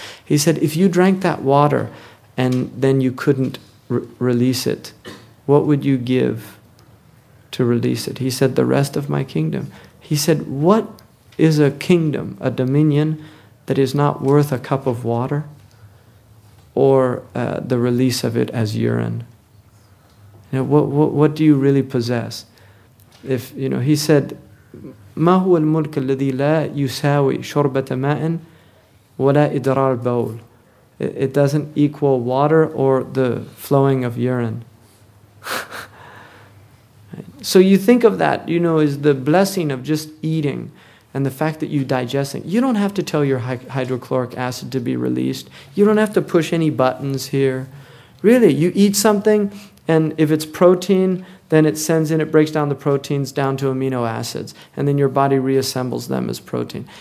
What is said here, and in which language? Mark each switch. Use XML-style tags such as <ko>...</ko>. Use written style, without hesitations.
<en>He said, if you drank that water and then you couldn't release it, what would you give to release it? He said, the rest of my kingdom. He said, what is a kingdom, a dominion, that is not worth a cup of water or the release of it as urine? You know, what do you really possess? If, you know, he said,</en> <ar>ما هو الملك الذي لا يساوي شربة ماء ولا إدرار بول.</ar> <en>It doesn't equal water or the flowing of urine. So you think of that, you know, is the blessing of just eating and the fact that you digest it. You don't have to tell your hydrochloric acid to be released. You don't have to push any buttons here. Really, you eat something, and if it's protein, then it sends in, it breaks down the proteins down to amino acids, and then your body reassembles them as protein.</en>